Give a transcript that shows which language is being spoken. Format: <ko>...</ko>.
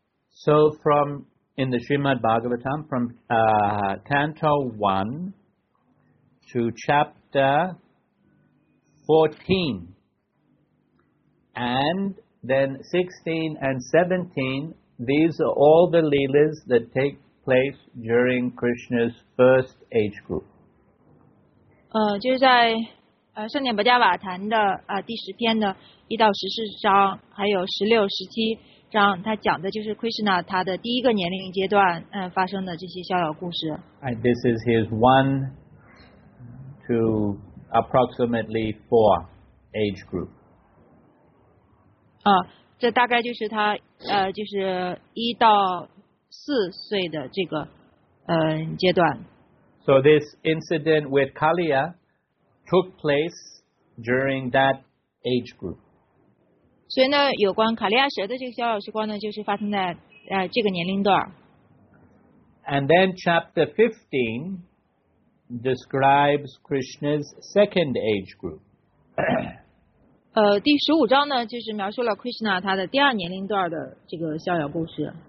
<en>So from in the Srimad Bhagavatam, from Canto 1 to Chapter 14, and then 16 and 17, these are all the Leelas that take place during Krishna's first age group.</en> <zh>就是在圣典伯加瓦坛的第十篇的一到十四章，还有十六、十七章，他讲的就是 Krishna 他的第一个年龄阶段发生的这些逍遥故事。</zh> <en>And this is his 1 to approximately 4 age group.</en> <zh>这大概就是他就是一到四岁的这个阶段。</zh> <en>So this incident with Kaliya.Took place during that age group.</en> <zh>所以呢，有关卡利亚蛇的这个小小时光呢，就是发生在这个年龄段。</zh> <en>And then chapter 15 describes Krishna's second age group.</en> <zh>第十五章呢，就是描述了 Krishna 他的第二年龄段的这个逍遥故事。</zh>